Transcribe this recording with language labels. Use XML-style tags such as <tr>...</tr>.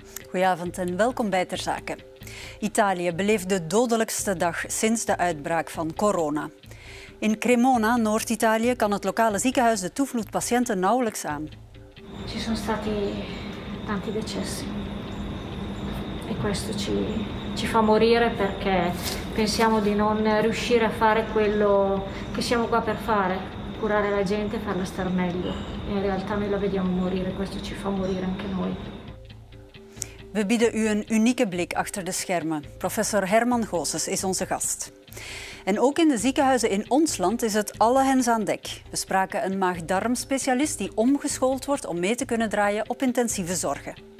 <nl>Goedenavond en welkom bij Ter Zake. Italië beleeft de dodelijkste dag sinds de uitbraak van corona. In Cremona, Noord-Italië, kan het lokale ziekenhuis de toevloed patiënten nauwelijks aan.</nl> <it>Ci sono stati tanti decessi. E questo ci fa morire perché pensiamo di non riuscire a fare quello che siamo qua per fare, curare la gente e farla star meglio. In realtà noi la vediamo morire, questo ci fa morire anche noi.</it> <nl>We bieden u een unieke blik achter de schermen. Professor Herman Goossens is onze gast. En ook in de ziekenhuizen in ons land is het alle hens aan dek. We spraken een maag-darm-specialist die omgeschoold wordt om mee te kunnen draaien op intensieve zorgen.</nl>